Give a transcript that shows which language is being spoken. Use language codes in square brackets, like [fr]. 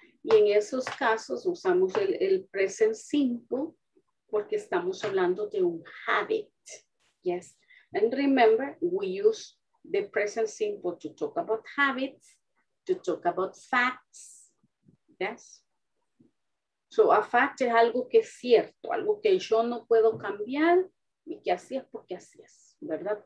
[es] Y en esos casos usamos el present simple porque estamos hablando de un habit, yes? [en] And remember, we use the present simple to talk about habits, to talk about facts, yes? So a fact [es] es algo que es cierto, algo que yo no puedo cambiar y que así es porque así es, ¿verdad?